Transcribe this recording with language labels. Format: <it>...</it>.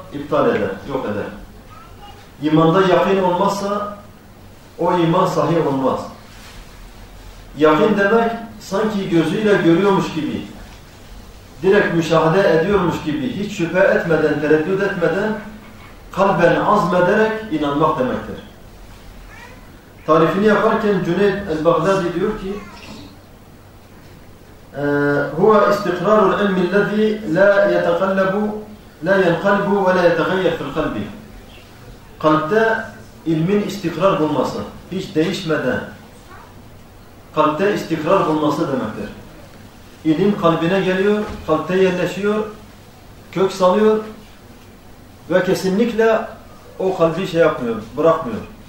<tr>İptal eder, yok eder. İmanda yakin olmazsa o iman sahih olmaz. Yakin demek, sanki gözüyle görüyormuş gibi, direkt müşahede ediyormuş gibi, hiç şüphe etmeden, tereddüt etmeden, kalben azmederek inanmak demektir. Tarifini yaparken Cüneyd el-Bagdadi diyor ki,</tr> <ar>هُوَ اِسْتِقْرَارُ الْعِلْمِ الَّذ۪ي لَا يَتَقَلَّبُ لَا يَنْقَلْبُ وَلَا يَتَغَيَّرْ فِي الْقَلْبِ.</ar> <tr>Kalpte ilmin istikrar bulması, hiç değişmeden, kalpte istikrar bulması demektir. İlim kalbine geliyor, kalpte yerleşiyor, kök salıyor ve kesinlikle o kalbi şey yapmıyor, bırakmıyor.</tr>